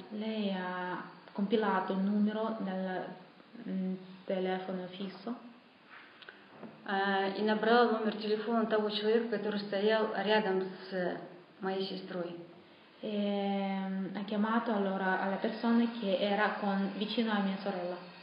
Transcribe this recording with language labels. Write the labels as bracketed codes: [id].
[it] Lei ha compilato il numero del telefono fisso. [ru] И набрала номер телефона того человека, который стоял рядом с моей сестрой. [it] Ha chiamato allora alla persona che era vicino a mia sorella.